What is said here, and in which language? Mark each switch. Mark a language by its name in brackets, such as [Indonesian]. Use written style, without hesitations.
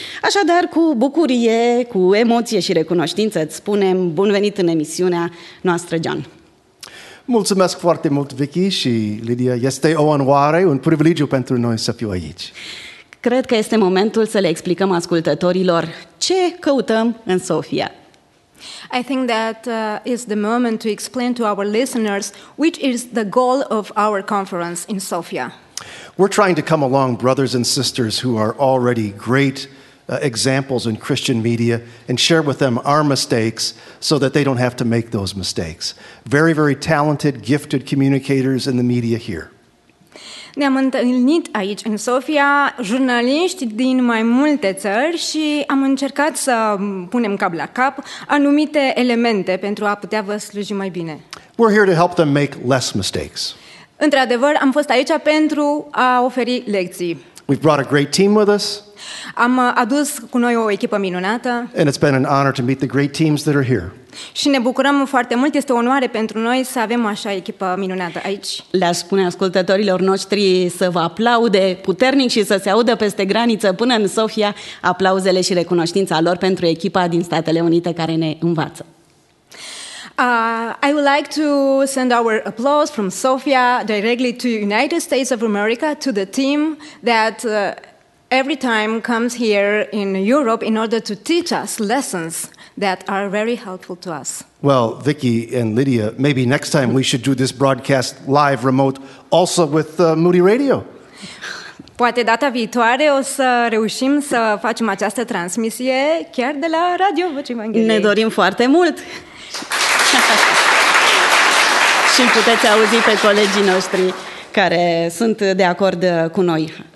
[Romanian] Așadar, cu bucurie, cu emoție și recunoștință îți spunem bun venit în emisiunea noastră, John. Mulțumesc foarte mult, Vicky și Lidia. Este o onoare, un privilegiu pentru noi să fiu aici. Cred că este momentul să le explicăm ascultătorilor ce căutăm în Sofia. [English] I think that is the moment to explain to our listeners which is the goal of our conference in Sofia. We're trying to come along brothers and sisters who are already great examples in Christian media and share with them our mistakes so that they don't have to make those mistakes. Very, very talented, gifted communicators in the media here. [Romanian] Ne-am întâlnit aici în Sofia jurnaliști din mai multe țări și am încercat să punem cap la cap anumite elemente pentru a putea vă sluji mai bine. [English] We're here to help them make less mistakes. [Romanian] Într-adevăr, am fost aici pentru a oferi lecții. [English] We've brought a great team with us. [Romanian] Am adus cu noi o echipă minunată. [English] And it's been an honor to meet the great teams that are here. [Romanian] Și ne bucurăm foarte mult, este o onoare pentru noi să avem așa echipă minunată aici. Le-aș spune ascultătorilor noștri să vă aplaude puternic și să se audă peste graniță până în Sofia aplauzele și recunoștința lor pentru echipa din Statele Unite care ne învață. [English] I would like to send our applause from Sofia directly to United States of America to the team that every time comes here in Europe in order to teach us lessons that are very helpful to us. Well, Vicky and Lidia, maybe next time we should do this broadcast live remote also with Moody Radio. [Romanian] Poate data viitoare o să reușim să facem această transmisie chiar de la Radio Vocea Evangheliei. Ne dorim foarte mult. Și puteți auzi pe colegii noștri care sunt de acord cu noi.